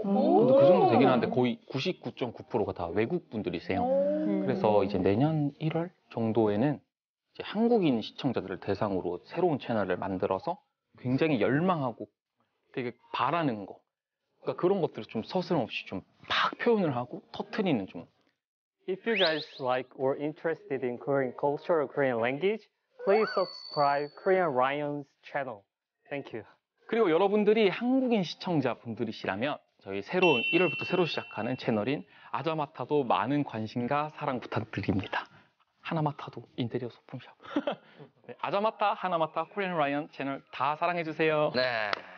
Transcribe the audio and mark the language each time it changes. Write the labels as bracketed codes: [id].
[ko] 근데 그 정도 되긴 한데 거의 99.9%가 다 외국 분들이세요. 그래서 이제 내년 1월 정도에는 한국인 시청자들을 대상으로 새로운 채널을 만들어서 굉장히 열망하고 되게 바라는 거 그러니까 그런 것들을 좀 서슴없이 좀 팍 표현을 하고 터트리는 좀 [en] If you guys like or interested in Korean culture or Korean language please subscribe Korean Ryan's channel Thank you [ko] 그리고 여러분들이 한국인 시청자분들이시라면 저희 새로운 1월부터 새로 시작하는 채널인 아자마타도 많은 관심과 사랑 부탁드립니다 하나마타도 인테리어 소품샵 네, 아자마타 하나마타 코리안 라이언 채널 다 사랑해 주세요. 네.